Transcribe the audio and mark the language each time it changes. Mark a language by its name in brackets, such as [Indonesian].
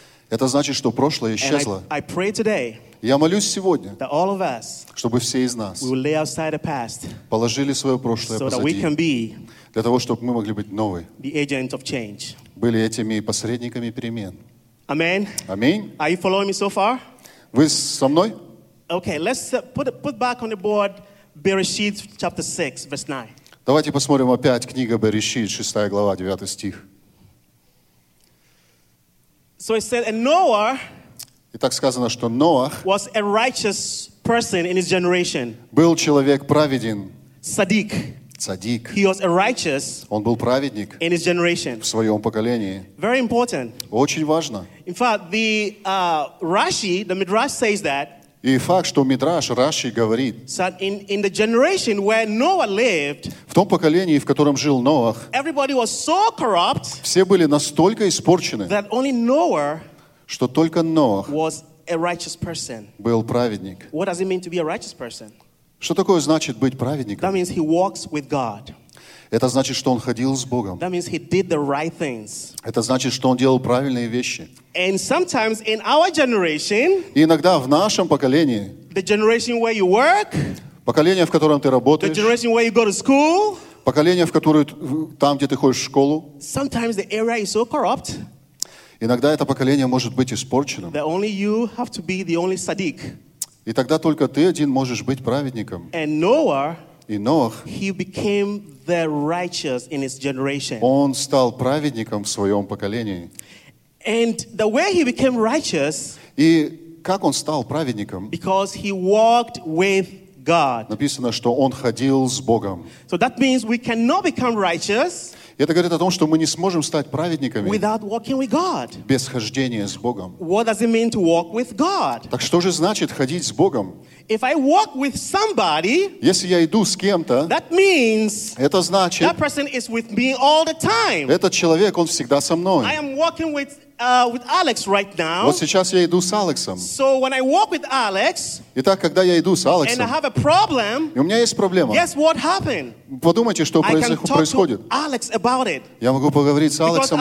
[Russian] Это значит, что прошлое исчезло. [English] And I pray today, [Russian] я молюсь сегодня, [English] that all of us, [Russian] чтобы все из нас, [English] we will lay outside the past, [Russian] положили свое прошлое [English] so [Russian] позади, [English] that we can be, [Russian] для того, чтобы мы могли быть новые, [English] the agent of change. [Russian] Были этими посредниками перемен. [English] Amen. [Russian] Аминь. [English] Are you following me so far? [Russian] Вы со мной? [English] Okay, let's put back on the board Bereshit chapter 6, verse 9. [Russian] Давайте посмотрим опять книга Берешит, 6 глава, 9 стих. [English] So it said, and Noah, [Russian] и так сказано, что Ноах [English] was a righteous person in his generation. [Russian] Был человек праведен. Садик. Садик. [English] He was a righteous. [Russian] Он был праведник. [English] In his generation. [Russian] В своем поколении. [English] Very important. [Russian] Очень важно. [English] In fact, the Rashi, the Midrash says that. [Russian] И факт, что Мидраш Раши говорит, [English] so in the generation where Noah lived, [Russian] в том поколении, в котором жил Ноах, [English] everybody was so corrupt, [Russian] все были настолько испорчены, [English] that only Noah, [Russian] что только Ноах [English] was a righteous person. [Russian] Был праведник. [English] What does it mean to be a righteous person? [Russian] Что такое значит быть праведником? [English] That means he walks with God. [Russian] Это значит, что он ходил с Богом. [English] That means he did the right things. [Russian] Это значит, что он делал правильные вещи. [English] And sometimes in our generation, [Russian] и иногда в нашем поколении, [English] the generation where you work, [Russian] поколение, в котором ты работаешь, [English] the generation where you go to school, [Russian] поколение, в которое, там, где ты ходишь в школу, [English] sometimes the area is so corrupt, [Russian] иногда это поколение может быть испорченным. [English] That only you have to be the only Sadiq. [Russian] И тогда только ты один можешь быть праведником. [English] And Noah, [Russian] и Ноах, [English] he became the righteous in his generation. [Russian] Он стал праведником в своем поколении. [English] And the way he became righteous, [Russian] и как он стал праведником? [English] Because he walked with God. [Russian] Написано, что он ходил с Богом. [English] So that means we cannot become righteous. [Russian] Это говорит о том, что мы не сможем стать праведниками без хождения с Богом. [English] What does it mean to walk with God? [Russian] Так что же значит ходить с Богом? [English] If I walk with somebody, [Russian] если я иду с кем-то, [English] that means [Russian] это значит, [English] that person is with me all the time. [Russian] Этот человек, он всегда со мной. [English] I am walking with Alex right now. [Russian] Вот сейчас я иду с Алексом. [English] So when I walk with Alex, [Russian] итак, когда я иду с Алексом, [English] and I have a problem, [Russian] и у меня есть проблема, [English] guess what happened? [Russian] Подумайте, что происходит. [English] To Alex about it. [Russian] Я могу поговорить с Алексом